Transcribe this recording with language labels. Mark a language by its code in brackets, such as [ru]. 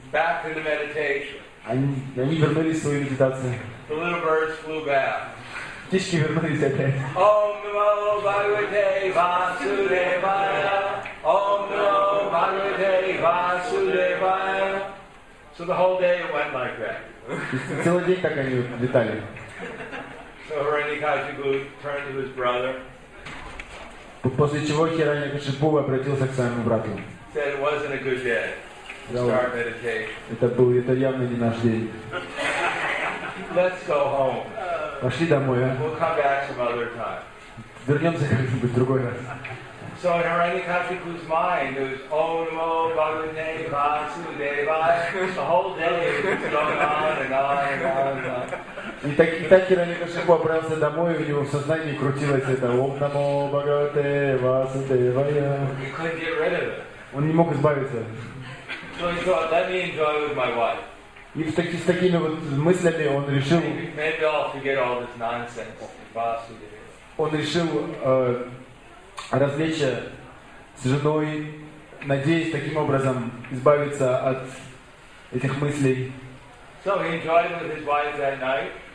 [en] Back to the meditation. [ru] Они вернулись в свою медитацию. [en] The little birds flew back. [ru] Птички вернулись опять. [sa] Ом намо Бхагавате Васудевая. Ом намо Бхагавате Васудевая. [en] So the whole day it went like that. [ru] Целый день так они летали. [en] So Hiranyakashipu turned to his brother. [ru] После чего Хиранья-Кашипу обратился к своему брату. [en] Said it wasn't a good day. [ru] Это явно не наш день. [en] Let's go home. [ru] Пошли домой, а? [en] We'll come back some other time. [ru] Вернемся как-нибудь в другой раз. [en] So in Hiranyakashipu's mind, there was [sa] Om Namo Bhagavate Vasudevaya. [en] The whole day was going on and on and on and on. [ru] И так Хиранья-Кашипу обрался домой, и у него в сознании крутилось это [sa] Ом Намо Бхагавате Васудевая. [en] He couldn't get rid of it. [ru] Он не мог избавиться. [en] So he thought, let me enjoy with my wife. [ru] И с такими вот мыслями он решил. [en] Maybe I'll forget all this nonsense. [ru] Он решил развлечься с женой, надеясь таким образом избавиться от этих мыслей. [en] So he enjoyed with his wife that night.